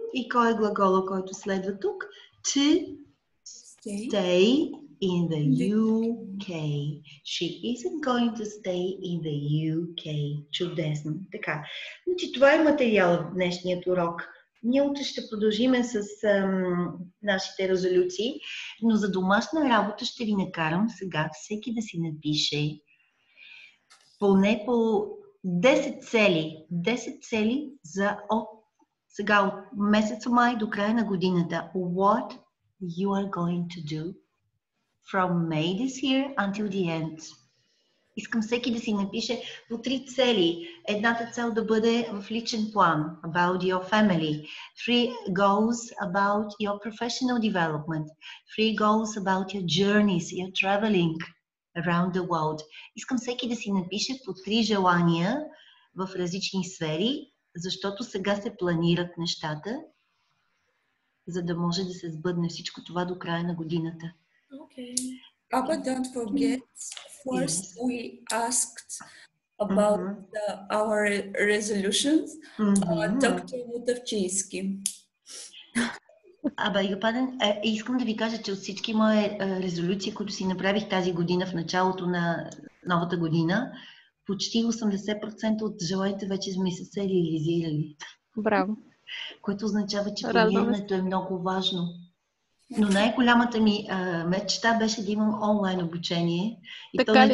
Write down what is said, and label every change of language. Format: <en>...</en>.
<bg>И кой е глагола, който следва тук?</bg> <en>To stay... In the UK. She isn't going to stay in the UK.</en> <bg>Чудесно. Така. Значи това е материал в днешният урок. Ние утре ще продължим с нашите резолюции, но за домашна работа ще ви накарам сега всеки да си напише поне по 10 цели. 10 цели за от месец май до края на годината.</bg> <en>What you are going to do from May this year until the end.</en> <bg>Искам всеки да си напише по три цели. Едната цел да бъде в личен план,</bg> <en>about your family. Three goals about your professional development. Three goals about your journeys, your traveling around the world.</en> <bg>Искам всеки да си напише по три желания в различни сфери, защото сега се планират нещата, за да може да се сбъдне всичко това до края на годината.</bg> <en>Okay. Papa, don't forget, first we asked about our resolutions, Dr.</en> <bg>Мутавчийски. Абе, Йопаден, искам да ви кажа, че от всички мои резолюции, които си направих тази година в началото на новата година, почти 80% от желаните вече ми са се реализирали. Браво! Което означава, че приемането е много важно. Но най-голямата ми мечта беше да имам онлайн обучение. И така то не ли?</bg>